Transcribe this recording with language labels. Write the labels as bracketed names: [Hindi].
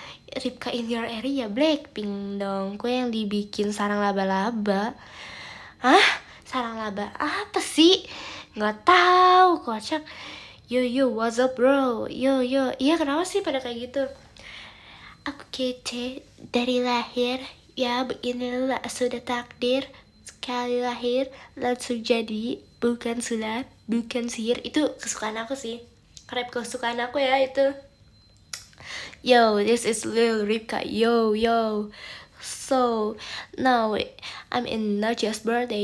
[English] Ripka in your area, Blackpink dong. [Indonesian] Kue yang dibikin sarang laba-laba. Hah? Sarang laba apa sih? Nggak tahu, kocak. [English] Yo, what's up bro? Yo. [Indonesian] Iya, kenapa sih pada kayak gitu? Aku kece dari lahir, ya beginilah sudah takdir. Sekali lahir langsung jadi, bukan sulap, bukan sihir. Itu kesukaan aku sih, rap kesukaan aku ya itu. [English] Yo, this is Lil Ripka. Yo. So now I'm in Nachia's birthday.